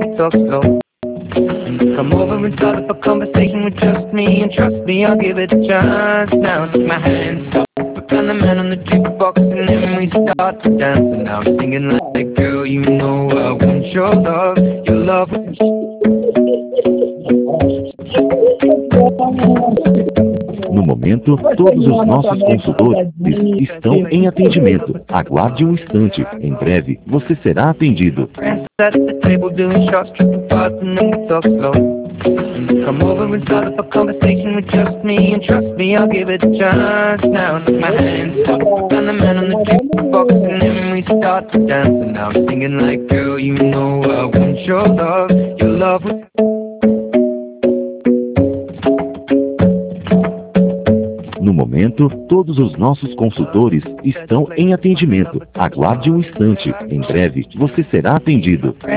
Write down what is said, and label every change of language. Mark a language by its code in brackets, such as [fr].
[en] Come over and start up a conversation with just me, and trust me, I'll give it a chance. Now take my hand, stop, put on the man on the jukebox, and then we start to dance. And now I'm singing like, girl, you know I want your love was. [pt] No momento, todos os nossos consultores estão em atendimento. Aguarde um instante. Em breve, você será atendido. [en] Come over and start up a conversation with just me, and trust me, I'll give it a chance. Now take my hand, stop, put on the man on the jukebox, and then we start to dance. And now I'm singing like, girl, you know I want your love was. [pt] No momento, todos os nossos consultores estão em atendimento. Aguarde um instante. Em breve, você será atendido.